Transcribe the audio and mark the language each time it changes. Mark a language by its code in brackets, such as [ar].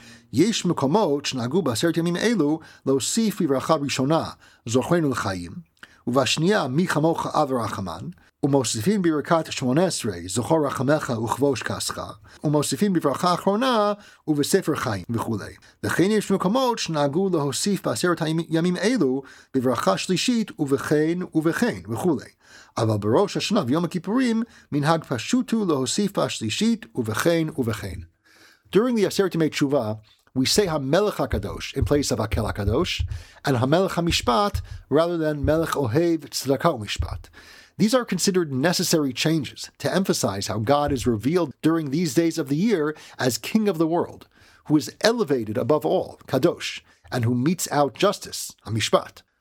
[he] Yesh Mekomot Shnagu Baseret Yemim Elu Losif Bivracha Rishona Zochenu L'Chaim Uvashnia Michamocha Avrachaman ומוסיפים בברכת שמונה עשרה, זוכר רחמך וכבוש כעסך, ומוסיפים בברכה האחרונה ובספר חיים וכו'. וכן יש מקומות שנהגו להוסיף בעשרת הימים אלו בברכה שלישית ובכן ובכן וכו'. אבל בראש השנה ויום הכיפורים, מנהג פשוט הוא להוסיף בשלישית ובכן ובכן. [en] During the עשרת ימי תשובה, we say HaMelech HaKadosh in place of HaKel HaKadosh, and HaMelech HaMishpat rather than Melech Ohev Tzedaka Umishpat. These are considered necessary changes to emphasize how God is revealed during these days of the year as King of the world, who is elevated above all, Kadosh, and who metes out justice, Amishpat.